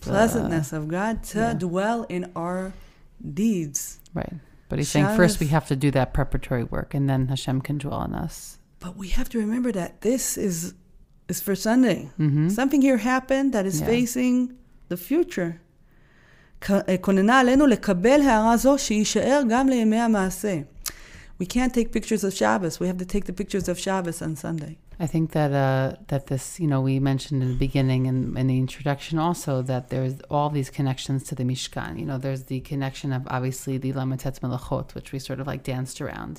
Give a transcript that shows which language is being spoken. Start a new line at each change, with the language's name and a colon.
English: Pleasantness of God to yeah. dwell in our deeds. Right. But he's saying first we have to do that preparatory work and then Hashem can dwell in us. But we have to remember that this is for Sunday. Mm-hmm. Something here happened that is yeah. facing the future.
Hebrew: כוננה עלינו לקבל הערה זו שישאר גם לימי המעשה.
English: We can't take pictures of Shabbos. We have to take the pictures of Shabbos on Sunday. I think that that this, you know, we mentioned in the beginning and in the introduction also that there's all these connections to the Mishkan. You know, there's the connection of obviously the Lametetz Melachot, which we sort of like danced around.